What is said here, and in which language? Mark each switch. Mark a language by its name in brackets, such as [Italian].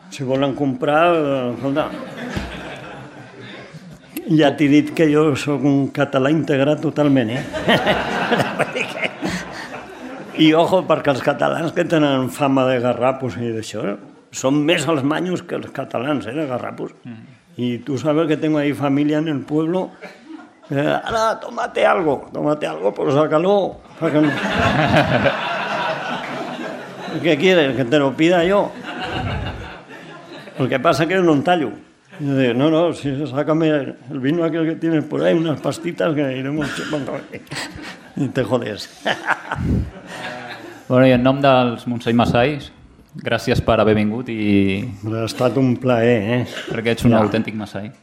[Catalan] Si volen comprar, escolta, ja t'he dit que jo sóc un català integrat totalment, eh? I ojo, perquè els catalans que tenen fama de garrapos i d'això, són més els manyos que els catalans, de garrapos. [Spanish] I tu sabes que tengo ahí familia en el pueblo. Ara, tómate algo, pero sácalo. ¿Qué quieres? ¿Que te lo pida yo? El que pasa es que no tallo. Y yo digo, no, si sácame el vino aquel que tienes por ahí, unas pastitas que iremos chupando. Y te jodes. Bueno, y en nombre de los Montseny Massais, [Catalan] gràcies per haver vingut i... Ha estat un plaer, eh? Perquè ets un autèntic Massai.